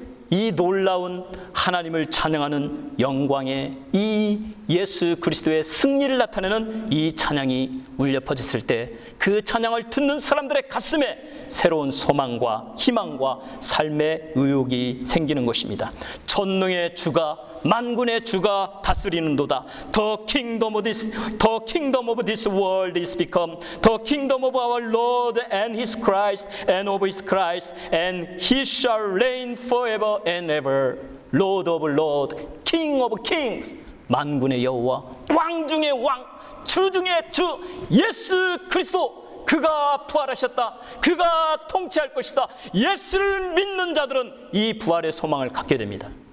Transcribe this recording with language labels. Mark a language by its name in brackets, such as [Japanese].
[Korean] 이 놀라운 하나님을 찬양하는 영광의 이 예수 그리스도의 승리를 나타내는 이 찬양이 울려 퍼졌을 때 그 찬양을 듣는 사람들의 가슴에 새로운 소망과 희망과 삶의 의욕이 생기는 것입니다. 전능의 주가 만군의 주가 다스리는 도다. [English] The kingdom of this world is become the kingdom of our Lord and his Christ and of his Christ and he shall reign forever and ever. Lord of Lords, King of Kings, [Korean] 만군의 여호와, 왕 중의 왕, 주 중의 주, 예수 그리스도, 그가 부활하셨다. 그가 통치할 것이다. 예수를 믿는 자들은 이 부활의 소망을 갖게 됩니다.